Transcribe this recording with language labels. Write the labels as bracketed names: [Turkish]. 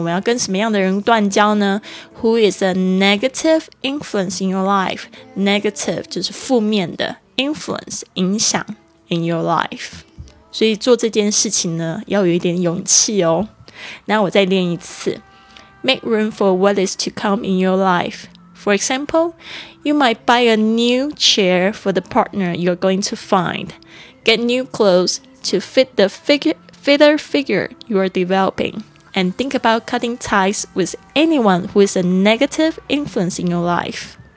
[Chinese] 我们要跟什么样的人断交呢？ [English] Who is a negative influence in your life? [Chinese] Negative 就是负面的， influence 影响 [English] in your life。 [Chinese] 所以做这件事情呢要有一点勇气哦。那我再练一次， [English] Make room for what is to come in your life。 For example, you might buy a new chair for the partner you're going to find. Get new clothesTo fit the fitter figure you are developing and think about cutting ties with anyone who is a negative influence in your life.